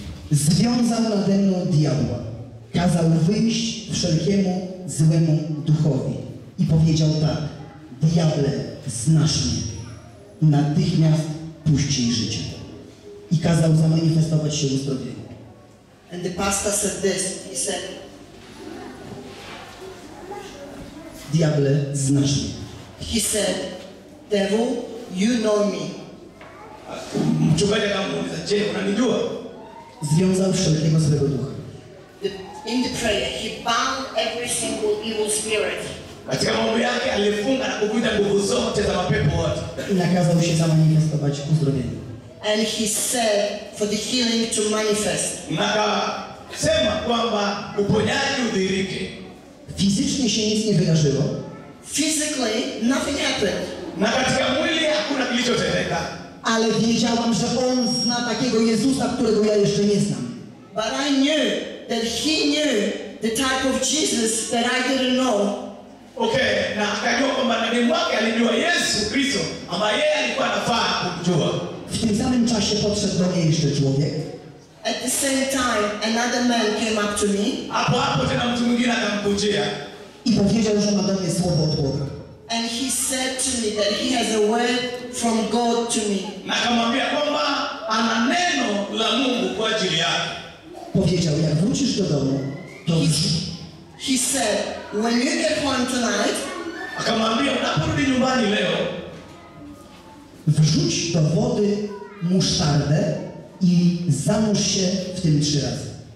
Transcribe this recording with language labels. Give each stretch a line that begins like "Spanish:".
Polish: Związał nade mną diabła, kazał wyjść wszelkiemu złemu duchowi i powiedział tak, diable, znasz mnie, natychmiast puścij życie. I kazał zamanifestować się uzdrowienie.
English: And the pastor said this, he said,
Polish: diable, znasz mnie.
English: He said, devil, you know me.
Swahili: Mchungaji akamuuliza, je, unanijua?
Polish: Związa wszelkiego złego ducha.
English: In the prayer, he bound every single evil spirit.
Swahili: Katika maombi yake alifunga na kuvunja nguvu zote za mapepo wote. Na kaza ushizamanika sababu kuzdrowienia.
English: And he said for the healing to manifest.
Swahili: Na sema kwamba uponyaji udhirike.
Polish: Fizycznie się nic nie wydarzyło.
English: Physically nothing happened.
Swahili: Na katika mwili hakuna kilichotendeka.
Polish: Ale wiedziałam, że on zna takiego Jezusa, którego ja jeszcze nie znam.
English: But I knew that he knew the type of Jesus that I didn't know.
Swahili: Okay, na akajua kwamba nabii wake alijua Yesu Kristo ambaye yeye alikuwa anafaa kumjua.
Polish: W tym samym czasie podszedł do niej jeszcze człowiek.
English: At the same time, another man came up to me.
Swahili: Hapo tena mtu mwingine akamkujia.
Polish: I powiedział, że ma do mnie słowo od Boga.
English: And he said to me that he has a word from God to me.
Swahili: Na akamwambia kwamba ana neno la Mungu kwa ajili yake.
Polish: Powiedział, jak wrócisz do domu, to
English: he said, when you get home tonight,
Swahili: akamwambia, unaporudi nyumbani leo,
Polish: wrzuć do wody musztardę i zanurz się w tym trzy razy.